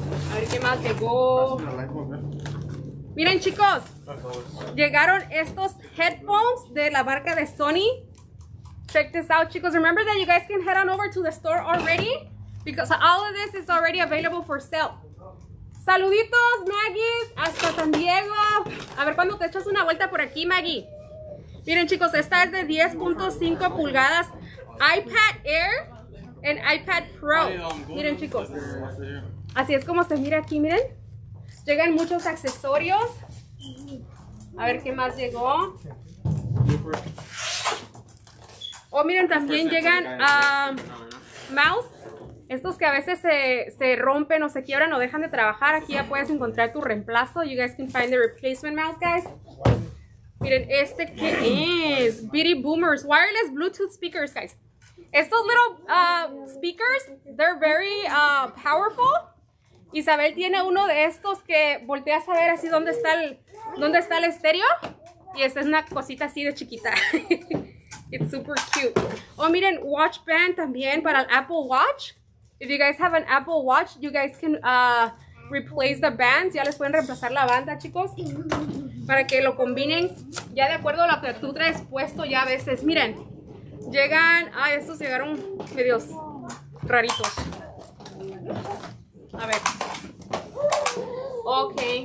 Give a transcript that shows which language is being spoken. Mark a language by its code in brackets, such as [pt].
[es] A ver qué más llegó. Miren, chicos, llegaron estos headphones de la marca de Sony. [en] Check this out, chicos. Remember that you guys can head on over to the store already, because all of this is already available for sale. [es] Saluditos, Maggie, hasta San Diego. A ver cuando te echas una vuelta por aquí, Maggie. Miren, chicos, esta es de 10.5 pulgadas iPad Air and iPad Pro. Miren, chicos, así es como se mira aquí. Miren, llegan muchos accesorios. A ver qué más llegó. Oh, miren, también llegan mouse Estos que a veces se rompen o se quiebran o dejan de trabajar, aquí ya puedes encontrar tu reemplazo. [en] You guys can find the replacement mouse, guys. [es] Miren, ¿este qué es? Bitty Boomers Wireless Bluetooth Speakers, guys. Estos [en] little speakers, they're very powerful. [es] Isabel tiene uno de estos que volteas a ver así dónde está el estéreo. Y esta es una cosita así de chiquita. [en] It's super cute. [es] Oh, miren, watch band también para el Apple Watch. [en] If you guys have an Apple Watch, you guys can replace the bands. [es] Ya les pueden reemplazar la banda, chicos. Para que lo combinen. Ya de acuerdo a lo que tú traes puesto ya a veces. Miren. Llegan. Ay, estos llegaron medios raritos. A ver. Ok.